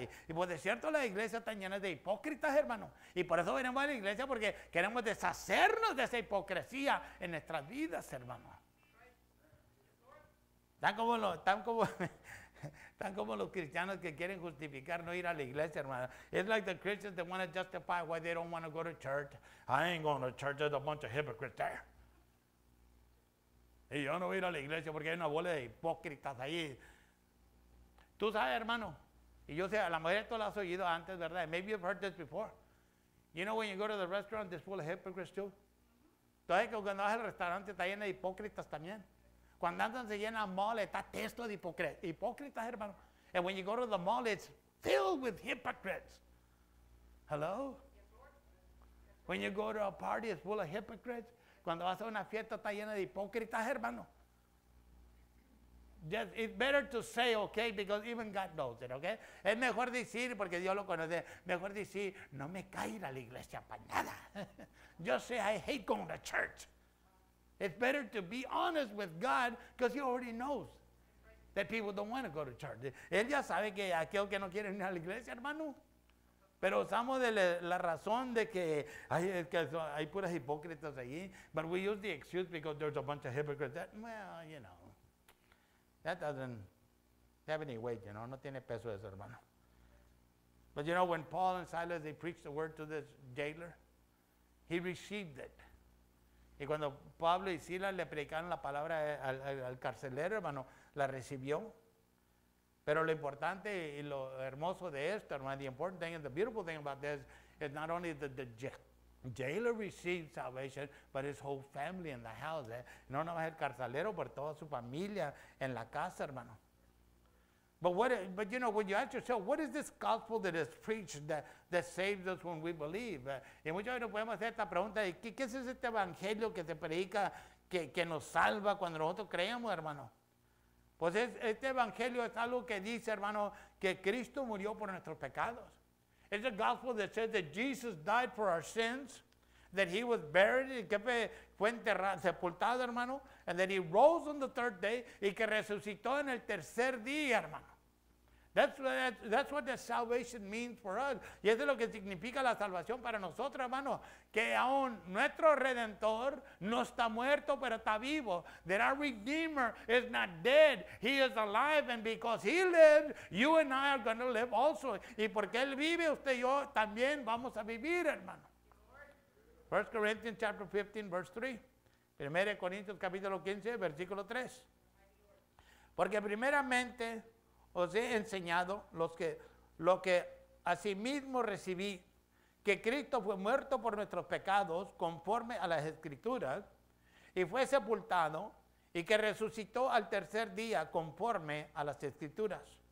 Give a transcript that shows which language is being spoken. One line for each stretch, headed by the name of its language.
Spanish: Y pues de cierto, las iglesias están llenas de hipócritas, hermano. Y por eso venimos a la iglesia, porque queremos deshacernos de esa hipocresía en nuestras vidas, hermano. Tan como los cristianos que quieren justificar no ir a la iglesia, hermano.
English: It's like the Christians that want to justify why they don't want to go to church. I ain't going to church, there's a bunch of hypocrites there.
Spanish: Y yo no voy a ir a la iglesia porque hay una bola de hipócritas ahí. Tú sabes, hermano, y yo sé, a la mujer esto lo has oído antes, ¿verdad?
English: Maybe you've heard this before. You know when you go to the restaurant, it's full of hypocrites too.
Spanish: Tú sabes que cuando vas al restaurante está lleno de hipócritas también. Cuando andan se llena mall, está testo de hipócritas, hermano.
English: And when you go to the mall, it's filled with hypocrites. Hello? When you go to a party, it's full of hypocrites.
Spanish: Cuando vas a una fiesta está llena de hipócritas, hermano.
English: Just, it's better to say okay because even God knows it, okay?
Spanish: Es mejor decir, porque Dios lo conoce, mejor decir, no me caigo a la iglesia para nada. Yo sé,
English: I hate going to church. It's better to be honest with God because he already knows that people don't want to go to church.
Spanish: Él ya sabe que aquel que no quiere ir a la iglesia, hermano. Pero usamos de la razón de que hay puras hipócritas allí.
English: But we use the excuse because there's a bunch of hypocrites. That, well, you know. That doesn't have any weight, you know.
Spanish: No tiene peso eso, hermano.
English: But you know, when Paul and Silas, they preached the word to this jailer, he received it.
Spanish: Y cuando Pablo y Silas le predicaron la palabra al carcelero, hermano, la recibió. Pero lo importante y lo hermoso de esto, hermano,
English: the important thing and the beautiful thing about this is not only that the jailer received salvation, but his whole family in the house.
Spanish: No, no, el carcelero, pero toda su familia en la casa, hermano.
English: But you know, when you ask yourself, what is this gospel that is preached that saves us when we believe?
Spanish: Y muchas veces podemos hacer esta pregunta, ¿qué es este evangelio que se predica que nos salva cuando nosotros creemos, hermano? Pues este evangelio es algo que dice, hermano, que Cristo murió por nuestros pecados.
English: It's a gospel that says that Jesus died for our sins, that he was buried,
Spanish: que fue enterrado, sepultado, hermano,
English: and that he rose on the third day,
Spanish: y que resucitó en el tercer día, hermano.
English: That's what the salvation means for us.
Spanish: Y eso es lo que significa la salvación para nosotros, hermano, que aún nuestro Redentor no está muerto, pero está vivo.
English: That our Redeemer is not dead, he is alive, and because he lived, you and I are going to live also.
Spanish: Y porque él vive, usted y yo también vamos a vivir, hermano.
English: 1 Corinthians chapter 15, verse 3. 1 Corinthians
Spanish: capítulo 15, versículo 3. Porque primeramente os he enseñado lo que asimismo recibí, que Cristo fue muerto por nuestros pecados conforme a las Escrituras, y fue sepultado, y que resucitó al tercer día conforme a las Escrituras.